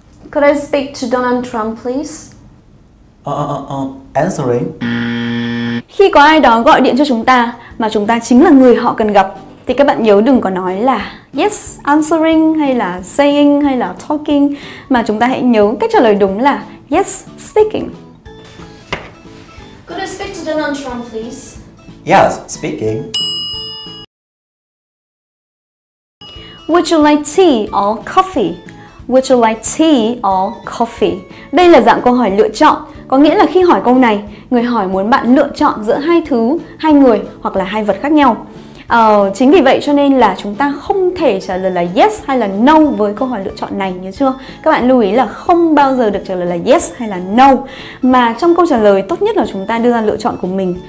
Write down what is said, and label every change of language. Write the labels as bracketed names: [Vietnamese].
[English] Could I speak to Donald Trump, please? Answering. [Vietnamese] Khi có ai đó gọi điện cho chúng ta mà chúng ta chính là người họ cần gặp thì các bạn nhớ đừng có nói là [English] yes, answering [Vietnamese] hay là saying hay là talking, mà chúng ta hãy nhớ cách trả lời đúng là [English] yes, speaking. Could I speak to Donald Trump, please? Yes, speaking. Would you like tea or coffee? Would you like tea or coffee? [Vietnamese] Đây là dạng câu hỏi lựa chọn. Có nghĩa là khi hỏi câu này, người hỏi muốn bạn lựa chọn giữa hai thứ, hai người hoặc là hai vật khác nhau. Chính vì vậy cho nên là chúng ta không thể trả lời là yes hay là no với câu hỏi lựa chọn này, nhớ chưa? Các bạn lưu ý là không bao giờ được trả lời là yes hay là no. Mà trong câu trả lời tốt nhất là chúng ta đưa ra lựa chọn của mình.